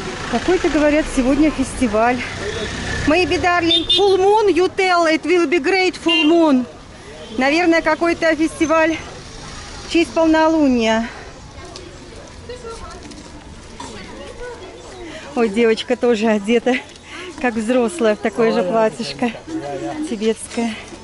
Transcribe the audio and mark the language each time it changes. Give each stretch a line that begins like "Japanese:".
Russian: Какой-то, говорят, сегодня фестиваль.
English: Maybe, darling, full moon, you tell, it will be great full moon.
Russian: Наверное, какой-то фестиваль в честь полнолуния. Ой, девочка тоже одета, как взрослая, в такое же платьишко тибетское.